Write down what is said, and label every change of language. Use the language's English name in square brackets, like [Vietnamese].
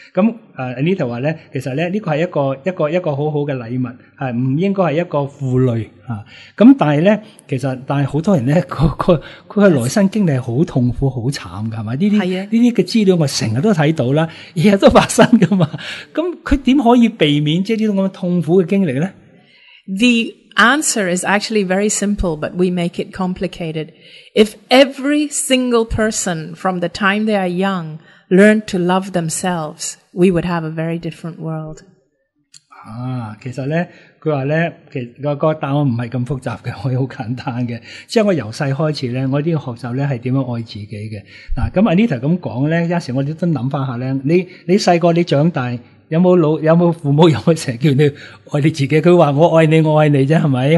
[Cantonese] 咁Anita 话咧，其实咧呢个系一个好好嘅礼物，系唔应该系一个负累啊。咁但系咧，其实但系好多人咧，佢嘅来生经历系好痛苦、好惨嘅，系咪？呢啲嘅资料我成日都睇到啦，日日都发生噶嘛。咁佢点可以避免即系呢种咁痛苦嘅经历咧 [English] ？The answer is actually very simple, but we make it complicated. If every single person from the time they are young learned to love themselves, we would have a very different world. [Cantonese] 啊，其实咧，佢话咧，其实个答案唔系咁复杂嘅，可以好简单嘅。即系我由细开始咧，我都要学习咧系点样爱自己嘅。嗱，咁Anita 咁讲咧，有时我哋都谂翻下咧，你细个你长大。有冇父母有冇成日叫你爱你自己？佢话我爱你，我爱你啫，系咪？